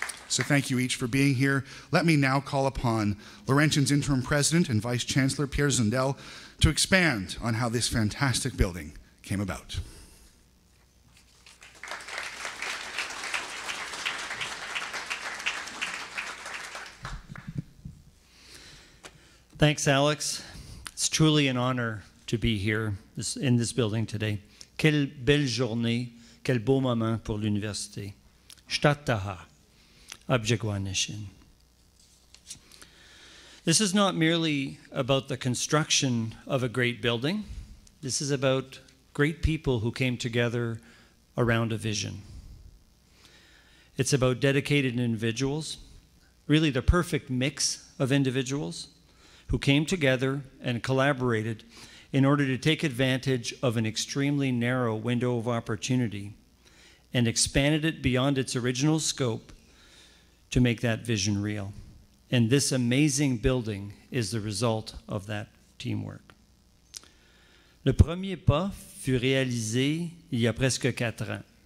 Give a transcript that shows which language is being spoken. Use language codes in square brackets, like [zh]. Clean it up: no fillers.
[en] So thank you each for being here. Let me now call upon Laurentian's Interim President and Vice-Chancellor, Pierre Zundel, to expand on how this fantastic building came about. Thanks, Alex. It's truly an honor to be here in this building today. [fr] Quelle belle journée, quel beau moment pour l'université. Shtataha, Abjigwanishin. [en] This is not merely about the construction of a great building. This is about great people who came together around a vision. It's about dedicated individuals, really the perfect mix of individuals, who came together and collaborated in order to take advantage of an extremely narrow window of opportunity and expanded it beyond its original scope to make that vision real. And this amazing building is the result of that teamwork. [fr] Le premier pas fut réalisé il y a presque quatre ans.